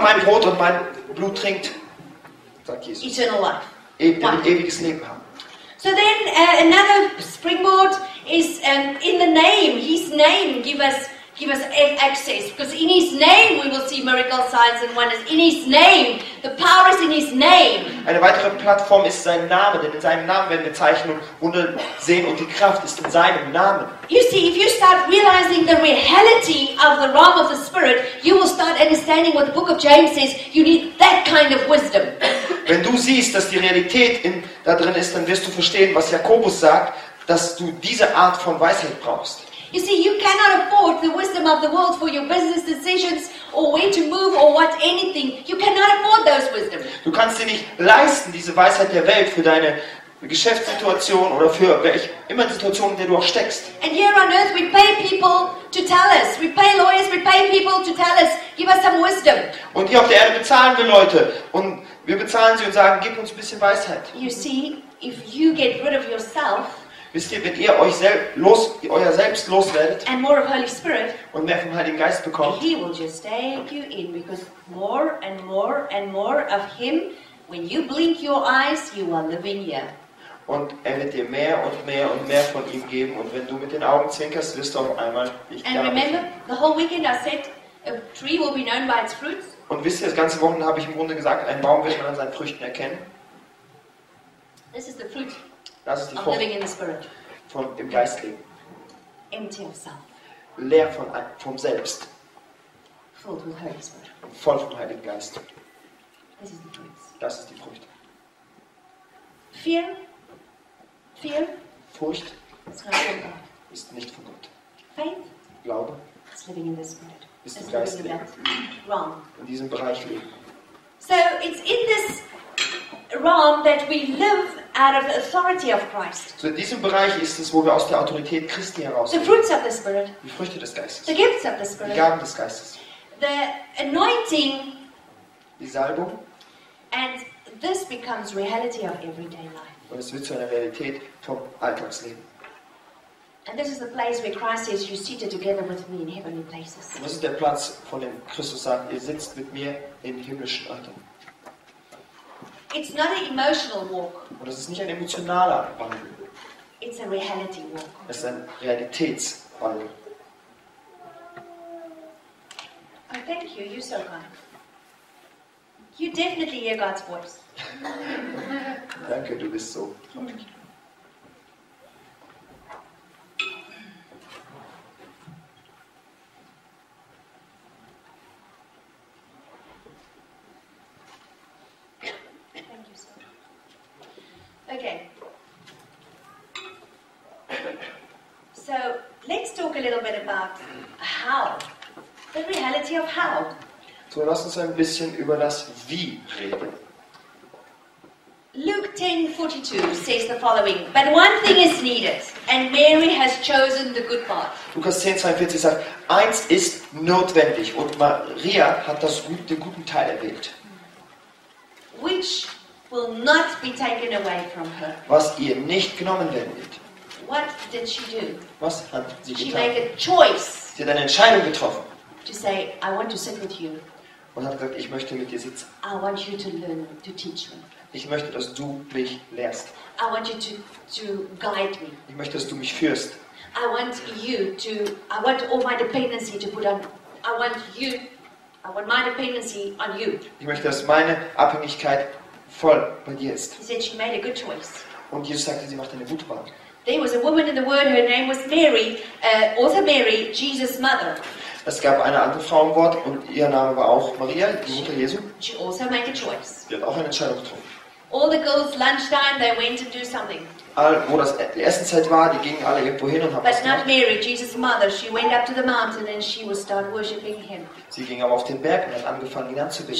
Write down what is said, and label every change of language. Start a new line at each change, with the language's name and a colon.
German: mein Brot und mein Blut trinkt, sagt Jesus.
English: Eternal life.
German: Ewiges Leben haben.
English: So then another springboard is in the name. His name give us access, because in His name we will see miracles, signs and wonders. In His name, the power is in His name.
German: Eine weitere Plattform ist sein Name, denn in seinem Namen werden wir Zeichen und Wunder sehen, und die Kraft ist in seinem Namen.
English: You see, if you start realizing the reality of the realm of the Spirit, you will start understanding what the book of James says, you need that kind of wisdom.
German: Wenn du siehst, dass die Realität da drin ist, dann wirst du verstehen, was Jakobus sagt, dass du diese Art von Weisheit brauchst.
English: You see, you cannot afford the wisdom of the world for your business decisions or where to move or what anything. You cannot afford those wisdom.
German: Du kannst dir nicht leisten, diese Weisheit der Welt für deine Geschäftssituation oder für welche immer Situation, in der du auch steckst.
English: And here on earth we pay people to tell us. We pay lawyers, we pay people to tell us. Give us some wisdom.
German: Und hier auf der Erde bezahlen wir Leute und wir bezahlen sie und sagen, gib uns ein bisschen Weisheit.
English: You see, if you get rid of yourself.
German: Wisst ihr, wenn ihr euch euer Selbst loswerdet
English: and more of Holy Spirit,
German: und mehr vom Heiligen Geist bekommt,
English: He will just take you in, because more and more and more of Him, when you blink your eyes, you are living here.
German: Und er wird dir mehr und mehr und mehr von ihm geben, und wenn du mit den Augen zwinkerst, wirst du auf einmal nicht
English: and remember, the whole weekend I said, a tree will be known by its fruits.
German: Und wisst ihr, das ganze Wochenende habe ich im Grunde gesagt, ein Baum wird man an seinen Früchten erkennen.
English: This is the fruit.
German: Das ist die
English: Form living in the Spirit.
German: Von dem Geistleben.
English: Empty of self.
German: Leer vom Selbst.
English: Full with Holy Spirit.
German: Voll vom Heiligen Geist.
English: This is the fruit.
German: Das ist die Frucht.
English: Fear.
German: Furcht.
English: It's not from God.
German: Ist nicht von Gott.
English: Faith.
German: Glaube.
English: It's living in the Spirit.
German: Ist im Geist leben.
English: Wrong.
German: In diesem Bereich leben.
English: So it's in this realm that we live out of the authority of Christ.
German: So in diesem Bereich ist es, wo wir aus der Autorität Christi herausgehen.
English: The fruits of the Spirit.
German: Die Früchte des Geistes.
English: The gifts of the Spirit.
German: Die Gaben des Geistes.
English: The anointing.
German: Die Salbung.
English: And this becomes reality of everyday life.
German: Und es wird zu einer Realität vom Alltagsleben.
English: And this is the place where Christ says, "You're seated together with me in heavenly places."
German: Und das ist der Platz, von dem Christus sagt, ihr sitzt mit mir in himmlischen Orten.
English: It's not an emotional walk.
German: Und es ist nicht ein emotionaler Wandel.
English: It's a reality walk.
German: Es ist ein Realitätswandel.
English: Oh, thank you. You're so kind. You definitely hear God's voice.
German: Danke, du bist so.
English: Okay. So let's talk a little bit about how. The reality of how.
German: So lass uns ein bisschen über das Wie reden.
English: Luke 10:42 says the following: But one thing is needed, and Mary has chosen the good part.
German: Lukas 10:42 sagt: Eins ist notwendig, und Maria hat den guten Teil erwählt.
English: Which will not be taken away from her.
German: Was ihr nicht genommen werden wird.
English: What did she do?
German: Was hat sie
English: she
German: getan?
English: Made a choice.
German: Sie hat eine Entscheidung getroffen.
English: To say, I want to sit with you.
German: Und hat gesagt, ich möchte mit dir sitzen.
English: I want you to learn, to teach me.
German: Ich möchte, dass du mich lehrst.
English: I want you to guide me.
German: Ich möchte, dass du mich führst.
English: I want my dependency on you.
German: Ich möchte, dass meine Abhängigkeit voll bei dir ist.
English: He said she made a good choice.
German: Und Jesus sagte, sie macht eine gute Wahl.
English: There was a woman in the Word, her name was Mary, also Mary, Jesus' mother.
German: Es gab eine andere Frau im Wort und ihr Name war auch Maria, die Mutter Jesu.
English: She also made a choice.
German: Sie hat auch eine Entscheidung getroffen.
English: All the girls lunchtime, they went and do something.
German: Wo das die Essenszeit war, die gingen alle irgendwo hin und haben was gemacht.
English: But not Mary, Jesus' mother. She went up to the mountain and she was started worshiping him.
German: Sie ging aber auf den Berg und hat angefangen, ihn anzubeten.